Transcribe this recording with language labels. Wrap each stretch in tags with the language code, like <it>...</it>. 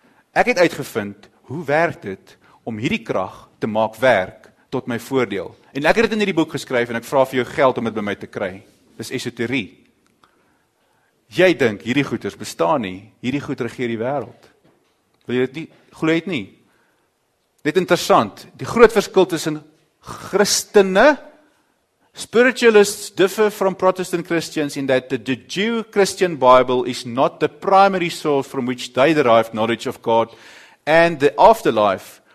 <af>Ek het uitgevind hoe werk dit om hierdie krag te maak werk tot my voordeel. En ek het dit in hierdie boek geskryf en ek vra vir jou geld om dit by my te kry. Dis esoterie. Jy dink hierdie goeders bestaan nie, hierdie goed regeer die wêreld. Wil jy dit nie glo het nie? Net interessant, die groot verskil tussen Christene,</af> <en>spiritualists differ from Protestant Christians in that the Jew Christian Bible is not the primary source from which they derive knowledge of God and the afterlife.</en>